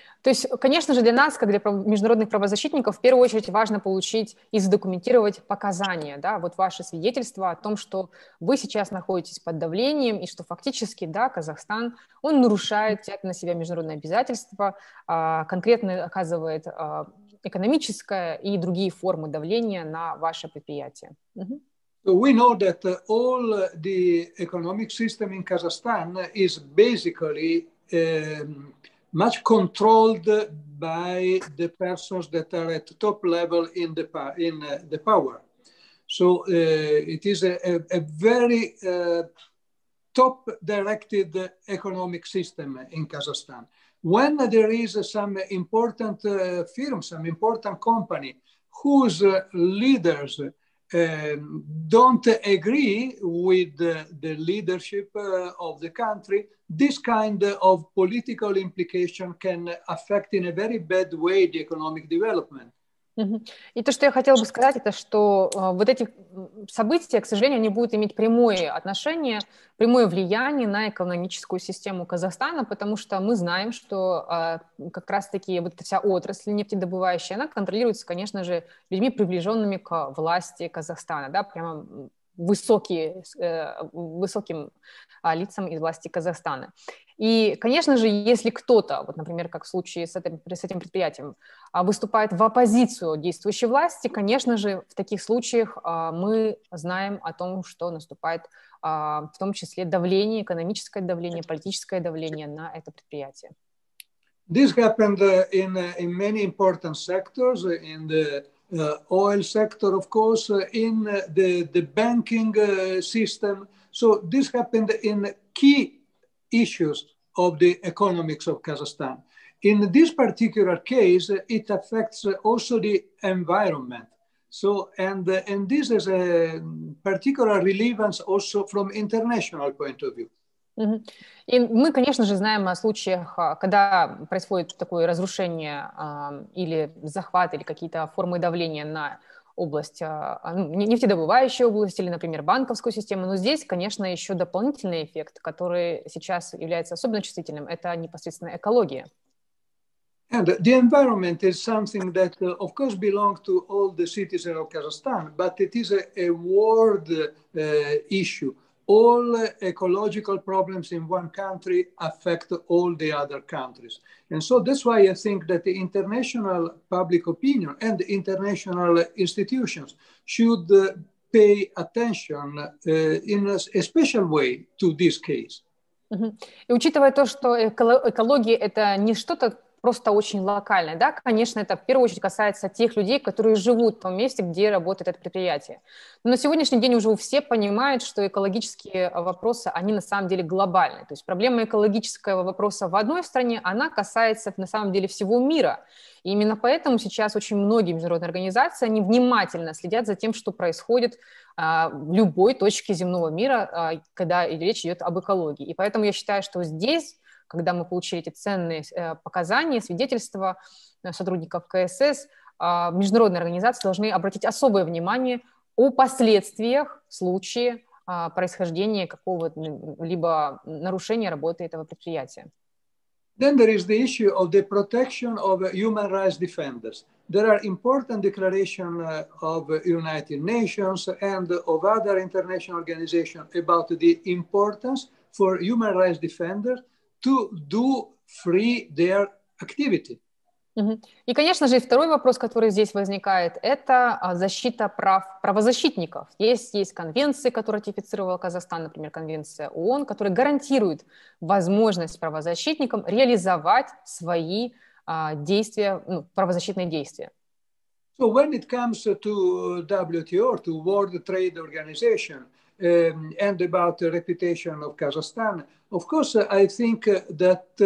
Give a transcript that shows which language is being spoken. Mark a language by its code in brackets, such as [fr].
[ru] То есть, конечно же, для нас, как для международных правозащитников, в первую очередь важно получить и задокументировать показания, да, вот ваши свидетельства о том, что вы сейчас находитесь под давлением и что фактически, да, Казахстан, он нарушает, взять на себя международные обязательства, конкретно оказывает экономическое и другие формы давления на ваше предприятие. [en] We know that all the economic system in Kazakhstan is basically much controlled by the persons that are at top level in the power. So it is a very top directed economic system in Kazakhstan. When there is some important firm, some important company whose leaders don't agree with the leadership of the country, this kind of political implication can affect in a very bad way the economic development. [ru] И то, что я хотела бы сказать, это что вот эти события, к сожалению, они будут иметь прямое отношение, прямое влияние на экономическую систему Казахстана, потому что мы знаем, что как раз-таки вот эта вся отрасль нефтедобывающая, она контролируется, конечно же, людьми, приближенными к власти Казахстана, да, прямо высоким лицам из власти Казахстана. И, конечно же, если кто-то, вот, например, как в случае с этим предприятием, выступает в оппозицию действующей власти, конечно же, в таких случаях мы знаем о том, что наступает в том числе давление, экономическое давление, политическое давление на это предприятие. [en] This happened in many important sectors, in the oil sector, of course, in the banking system. So this happened in key issues of the economics of Kazakhstan. In this particular case, it affects also the environment. So, and this is a particular relevance also from international point of view. [ru] И мы, конечно же, знаем о случаях, когда происходит такое разрушение или захват, или какие-то формы давления на область, нефтедобывающую область или, например, банковскую систему. Но здесь, конечно, еще дополнительный эффект, который сейчас является особенно чувствительным, это непосредственно экология. [en] And the environment is something that, of course, belongs to all the citizens of Kazakhstan, but it is a world issue. All ecological problems in one country affect all the other countries. And so that's why I think that the international public opinion and the international institutions should pay attention in a special way to this case. [ru] Mm-hmm. И учитывая то, что экология — это не что-то просто очень локальное, да, конечно, это в первую очередь касается тех людей, которые живут в том месте, где работает это предприятие. Но на сегодняшний день уже все понимают, что экологические вопросы, они на самом деле глобальны. То есть проблема экологического вопроса в одной стране, она касается на самом деле всего мира. И именно поэтому сейчас очень многие международные организации, они внимательно следят за тем, что происходит в любой точке земного мира, когда речь идет об экологии. И поэтому я считаю, что здесь, когда мы получили эти ценные показания, свидетельства сотрудников КСС, международные организации должны обратить особое внимание о последствиях в случае происхождения какого-либо нарушения работы этого предприятия. [en] Then there is the issue of the protection of human rights defenders. There are important declarations of United Nations and of other international organizations about the importance for human rights defenders to do free their activity. [ru] И, конечно же, и второй вопрос, который здесь возникает, это защита прав правозащитников. Есть конвенции, которые ратифицировал Казахстан, например, конвенция ООН, которая гарантирует возможность правозащитникам реализовать свои действия, ну, правозащитные действия. [en] So when it comes to WTO, to World Trade Organization, and about the reputation of Kazakhstan, of course, I think that